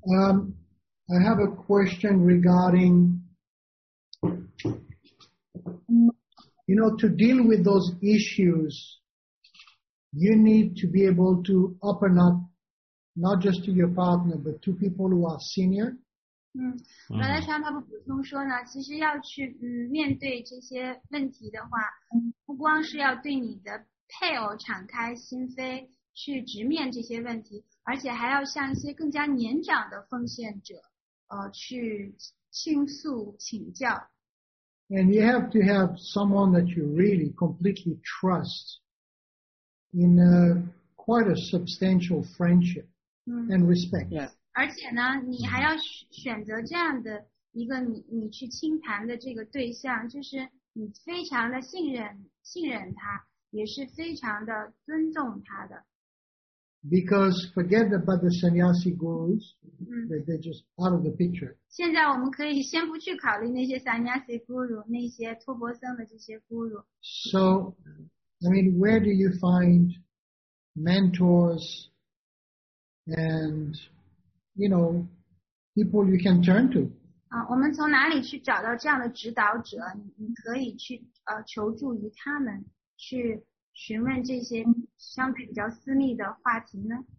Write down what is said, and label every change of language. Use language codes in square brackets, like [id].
[en] I have a question regarding, you know, to deal with those issues, you need to be able to open up, not just to your partner, but to people who are senior. [zh] 本来常他不补充说呢，其实要去面对这些问题的话，不光是要对你的配偶敞开心扉，去直面这些问题，而且还要向一些更加年长的奉献者去倾诉请教。 [en] And you have to have someone that you really completely trust in quite a substantial friendship and respect. Yeah. [zh] 而且呢，你还要选择这样的一个你去倾谈的这个对象，就是你非常的信任他，也是非常的尊重他的。 [en] Because forget about the sannyasi gurus, they're just out of the picture. [zh] 现在我们可以先不去考虑那些 sannyasi guru, 那些托钵僧的这些 guru. [en] So, I mean, where do you find mentors and, you know, people you can turn to? [zh] 我们从哪里去找到这样的指导者？你可以去求助于他们，去询问这些相对比较私密的话题呢？